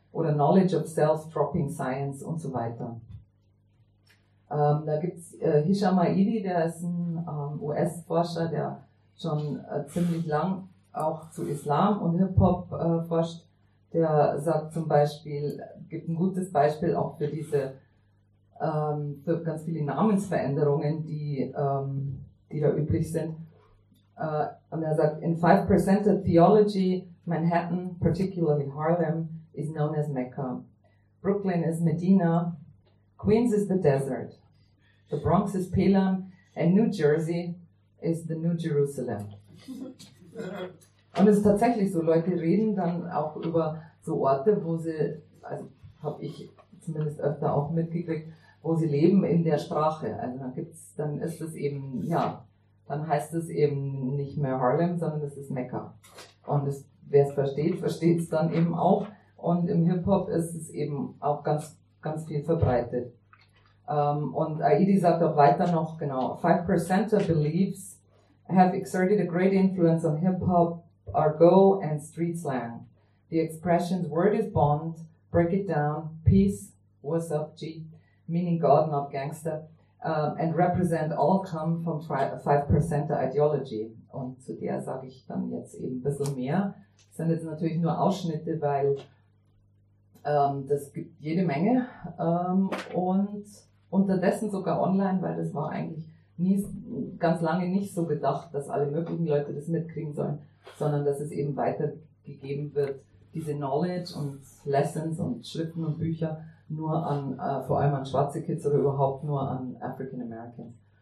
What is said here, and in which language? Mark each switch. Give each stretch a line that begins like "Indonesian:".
German: Oder Knowledge of Self, Dropping Science und so weiter. Da gibt es Hisham Aidi, der ist ein US-Forscher, der schon ziemlich lang auch zu Islam und Hip-Hop forscht. Der sagt zum Beispiel, gibt ein gutes Beispiel auch für diese für ganz viele Namensveränderungen, die da üblich sind. Und er sagt,
English: in 5% of theology, Manhattan, particularly Harlem, is known as Mecca. Brooklyn is Medina. Queens is the desert. The Bronx is Pelham, and New Jersey is the New Jerusalem.
German: Und es ist tatsächlich so, Leute reden dann auch über so Orte, wo sie, also habe ich zumindest öfter auch mitgekriegt, wo sie leben in der Sprache. Also dann ist es eben, ja, dann heißt es eben nicht mehr Harlem, sondern es ist Mekka. Und wer es versteht, versteht es dann eben auch. Und im Hip-Hop ist es eben auch ganz, ganz viel verbreitet. Und Aidi sagt auch weiter noch, genau,
English: 5% of beliefs have exerted a great influence on hip-hop, argo and street slang. The expressions word is bond, break it down, peace, what's up, G, meaning God, not gangster, and represent all come from 5% ideology.
German: Und zu der sage ich dann jetzt eben ein bisschen mehr. Das sind jetzt natürlich nur Ausschnitte, weil das gibt jede Menge. Und unterdessen sogar online, weil das war eigentlich nie, ganz lange nicht so gedacht, dass alle möglichen Leute das mitkriegen sollen, sondern dass es eben weitergegeben wird, diese Knowledge und Lessons und Schriften und Bücher nur an, vor allem an schwarze Kids oder überhaupt nur an African Americans.